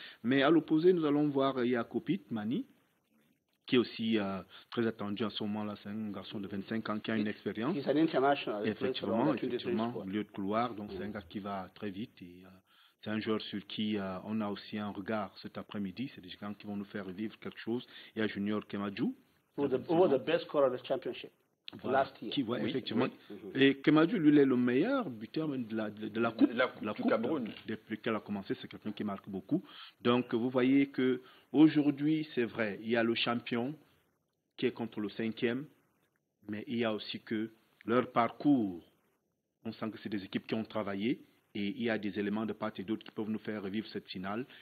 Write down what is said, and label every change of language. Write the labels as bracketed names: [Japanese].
[French] Mais à l'opposé, nous allons voir Yakopit Mani, qui est aussi très attendu en ce moment-là. C'est un garçon de 25 ans qui a une expérience. C'est un international. Effectivement, milieu de couloir. Donc, c'est un gars qui va très vite. Et, c'est un joueur sur qui on a aussi un regard cet après-midi. C'est des gens qui vont nous faire vivre quelque chose. Il y a Junior Kemadjou. [English] Who was the best scorer of the championship last year. [French] Qui, ouais, oui, effectivement. Oui. Et Kemadjou, lui, il est le meilleur buteur de la Coupe. La coupe du Cameroun. Depuis qu'elle a commencé, c'est quelqu'un qui marque beaucoup. Donc, vous voyez qu'aujourd'hui, c'est vrai, il y a le champion qui est contre le cinquième, mais il y a aussi que leur parcours, on sent que c'est des équipes qui ont travaillé et il y a des éléments de part et d'autre qui peuvent nous faire revivre cette finale.